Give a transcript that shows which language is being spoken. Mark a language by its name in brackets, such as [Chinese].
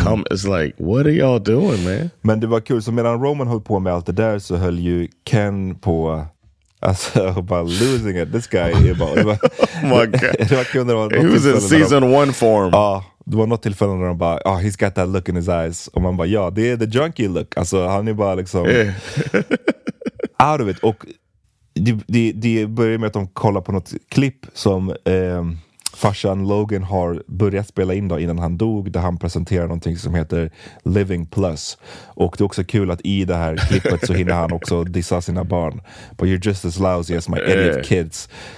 [English] Mm. It's like, what are y'all doing, man? [Swedish] Men det var kul. Så medan Roman höll på med allt det där, så höll ju Ken på, alltså, bara [English] losing it. This guy. [Swedish] Bara, [English] oh my god. [Swedish] Det var kul, det var [English] he was in season one form. [Swedish] Ja, det var något tillfälle när han bara, [English] oh, he's got that look in his eyes. [Swedish] Och man bara, ja, det är [English] the junkie look. [Swedish] Alltså, han är bara liksom, [English] yeah. out of it. [Swedish] Och det börjar med att de kollar på något klipp som farsan Logan har börjat spela in då innan han dog, där han presenterar någonting som heter Living Plus. Och det är också kul att i det här klippet så hinner han också dissa sina barn. [English] But you're just as lousy as my idiot kids.